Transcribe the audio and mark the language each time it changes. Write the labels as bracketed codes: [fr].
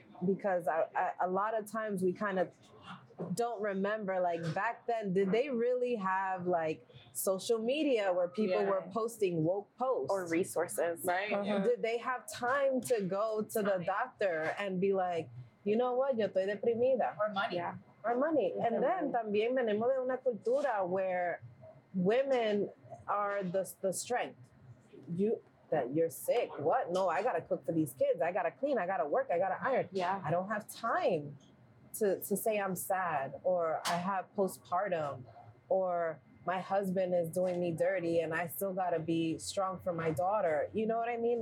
[en] Because I a lot of times we kind of don't remember, like, back then, did they really have, like, social media where people were posting woke posts? Or resources. Right. Uh-huh. Yeah. Did they have time to go to the doctor and be like, you know what, [es] yo estoy deprimida. [en] Or money. Yeah. Our money. And then [es] también venimos de una cultura [en] where women are the strength. You're sick. What? No, I gotta cook for these kids. I gotta clean. I gotta work. I gotta iron. Yeah. I don't have time to say I'm sad or I have postpartum or my husband is doing me dirty and I still gotta be strong for my daughter. You know what I mean?